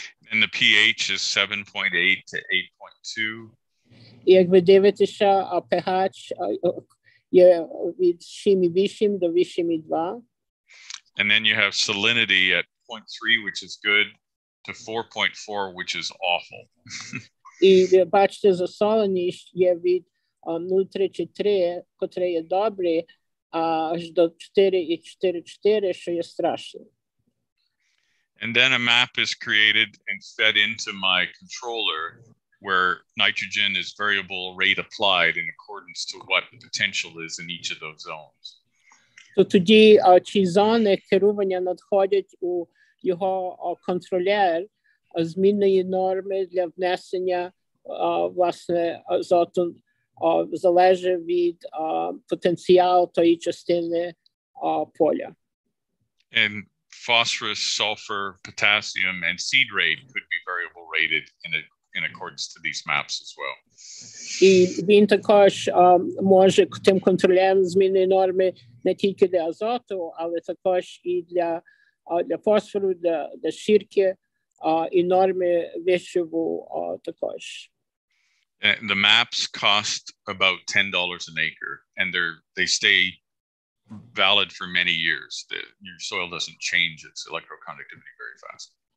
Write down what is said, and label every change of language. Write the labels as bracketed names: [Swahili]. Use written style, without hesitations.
[English] And the pH is 7.8 to 8.2. [Ukrainian] І як ви дивитеся, pH є від 7.8 до 8.2. [English] And then you have salinity at 0.3, which is good, to 4.4, which is awful. [Ukrainian] І бачите, засоленість є від 0.33, котре є добре, аж до 4.4, що є страшно. [English] And then a map is created and fed into my controller, where nitrogen is variable rate applied in accordance to what the potential is in each of those zones. [Ukrainian] То тоді ці зони керування надходять у його контролер змінної норми для внесення власне азоту залежить від потенціалу тої частини поля. [English] And phosphorus, sulfur, potassium and seed rate could be variable rated in accordance to these maps as well. [Ukrainian] І він також може тим контролем змінити норми не тільки для азоту, але також і для фосфору, для сірки, і норми вишиву також. [English] And the maps cost about $10 an acre, and they stay valid for many years. Your soil doesn't change its electroconductivity very fast.